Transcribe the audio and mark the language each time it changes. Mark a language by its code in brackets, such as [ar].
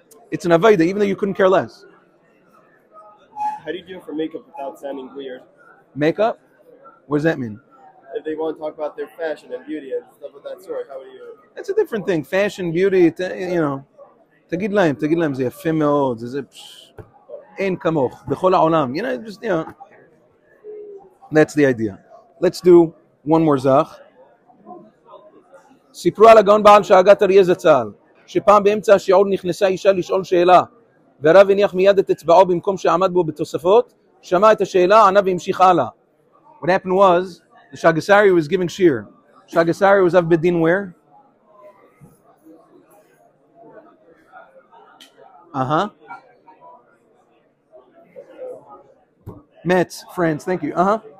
[en] It's an avaida, even though you couldn't care less. How do you do it for makeup without sounding weird? Makeup? What does that mean? If they want to talk about their fashion and beauty and stuff of that sort, how do you... It's a different thing. Fashion, beauty, you know. [he] Tagid lahem, זה יפה מאוד, זה... אין כמוך, בכל העולם. [en] You know, just, you know. That's the idea. Let's do one more zach. [he] סיפרו על הגאון בעל שהגת אריה זצל. שפעם באמצע השיעור נכנסה אישה לשאול שאלה, והרב הניח מיד את אצבעו במקום שעמד בו בתוספות, שמע את השאלה, ענה והמשיך הלאה. [en] What happened was, the Shagasari was giving shir. Shagasari was of Bedin where? Uh-huh. Metz, France, thank you. Uh-huh.